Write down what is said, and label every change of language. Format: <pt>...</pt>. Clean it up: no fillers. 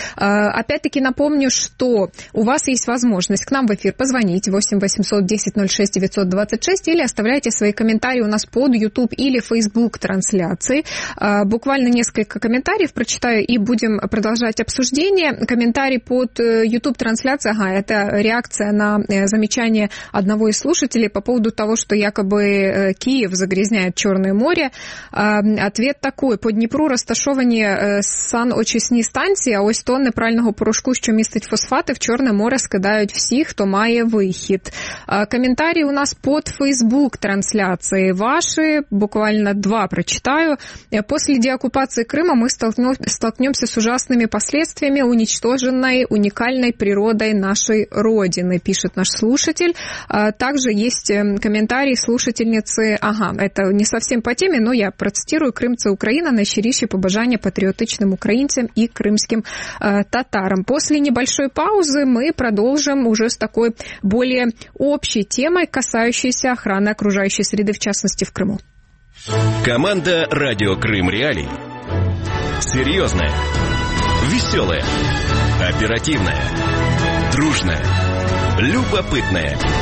<ru>Опять-таки напомню, что у вас есть возможность к нам в эфир позвонить 8 800 10 06 926 или оставляйте свои комментарии у нас под YouTube или Facebook трансляции. Буквально несколько комментариев прочитаю и будем продолжать обсуждение. Комментарий под YouTube трансляцией, ага, это реакция на замечание одного из слушателей по поводу того, что якобы Киев загрязняет Черное море. Ответ такой.</ru> <uk>По Дніпру розташовані саночисні станції, а ось тонни прального порошку, що містить фосфати, в Чорне море скидають всі, хто має вихід. Коментарі у нас під Facebook-трансляції ваші. Буквально два прочитаю. Після деокупації Криму ми столкнемся з ужасними последствиями уничтоженої унікальної природи нашої родини, пише наш слушатель.</uk> <ru>Также есть комментарий слушательницы, ага, это не совсем по теме, но я процитирую, «Крым –</ru> <uk>це Украина, найщиріші побажання патріотичним українцям і кримським татарам».</uk> <ru>После небольшой паузы мы продолжим уже с такой более общей темой, касающейся охраны окружающей среды, в частности, в Крыму. Команда «Радио Крым Реалий». Серьезная, веселая, оперативная, дружная, любопытная.</ru>